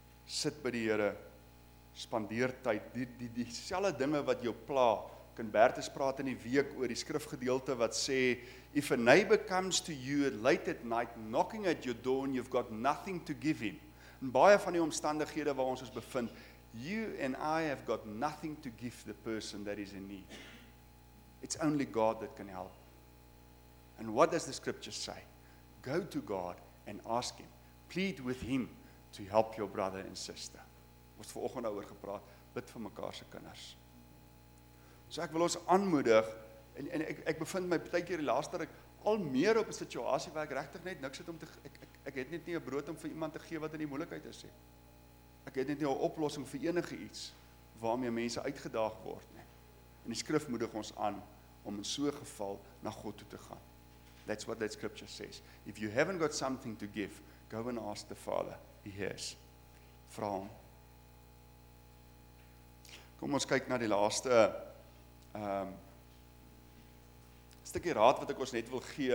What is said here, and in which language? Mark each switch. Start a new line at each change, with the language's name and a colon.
Afrikaans: Sit by die Here, spandeer tyd, die selfde dinge wat jou pla, kan Bertus praat in die week oor die skrifgedeelte wat sê,
English: if a neighbor comes to you late at night, knocking at your door and you've got nothing to give him,
Afrikaans: en baie van die omstandighede waar ons bevind,
English: you and I have got nothing to give the person that is in need. It's only God that can help. And what does the scripture say? Go to God and ask him, plead with him, to help your brother and sister.
Afrikaans: Ons vanoggend oor gepraat, bid vir mekaar se kinders. So ek wil ons aanmoedig en ek bevind my partykeer die laaste ek al meer op 'n situasie waar ek regtig net niks het om te ek het net nie 'n brood om vir iemand te gee wat in die moeilikheid is nie. Ek het net nie 'n oplossing vir enige iets waarmee mense uitgedaag word nie. En die skrif moedig ons aan om in so 'n geval na God toe te gaan.
English: That's what that scripture says. If you haven't got something to give, go and ask the Father. Yes.
Afrikaans: Vra hom. Kom ons kyk na die laaste stukkie raad wat ek ons net wil gee.